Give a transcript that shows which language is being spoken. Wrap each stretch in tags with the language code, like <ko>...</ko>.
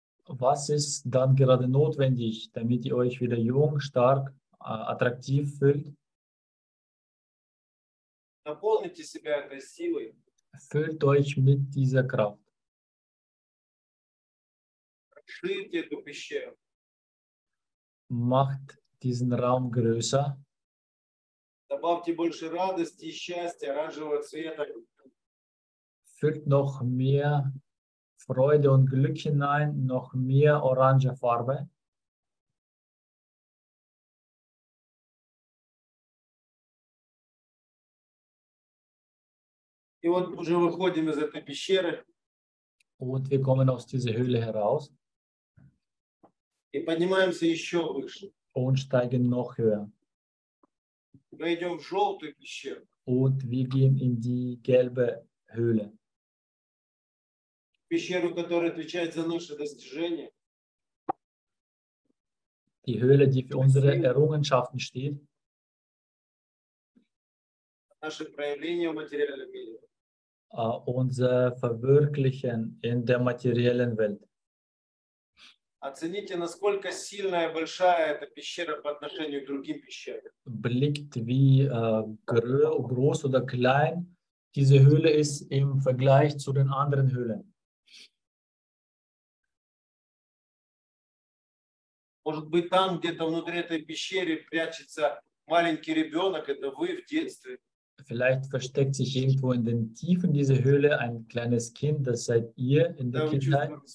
<de>Was ist dann gerade notwendig, damit ihr euch wieder jung, stark, attraktiv fühlt?</de> <ru>Наполните себя этой силой.</ru> <de>Füllt euch mit dieser Kraft.</de> <ru>Расширьте эту пещеру.</ru> <de>Macht diesen Raum größer.</de> <ru>Добавьте больше радости и счастья оранжевого цвета.</ru> <de>Füllt noch mehr Freude und Glück hinein, noch mehr orange Farbe.</de> <ru>И вот уже выходим из этой пещеры.</ru> <de>Und wir kommen aus dieser Höhle heraus.</de> <ru>И поднимаемся еще выше.</ru> <de>Und steigen noch höher.</de> <ru>Мы идем в желтую пещеру.</ru> <de>Und wir gehen in die gelbe Höhle.</de> <ru>Пещеру, которая отвечает за наши достижения.</ru> <de>Die Höhle, die für unsere Errungenschaften steht.</de> <ru>Наше проявление в материальном мире.</ru> <de>Unser Verwirklichen in der materiellen Welt.</de> <ru>Оцените, насколько сильная, большая эта пещера по отношению к другим пещерам.</ru> <de>Blickt, wie groß oder klein diese Höhle ist im Vergleich zu den anderen Höhlen.</de> <ru>Может быть, там где-то внутри этой пещеры прячется маленький ребенок, это вы в детстве.</ru> <de>Vielleicht versteckt sich irgendwo in den Tiefen dieser Höhle ein kleines Kind, das seid ihr in der Kindheit.</de>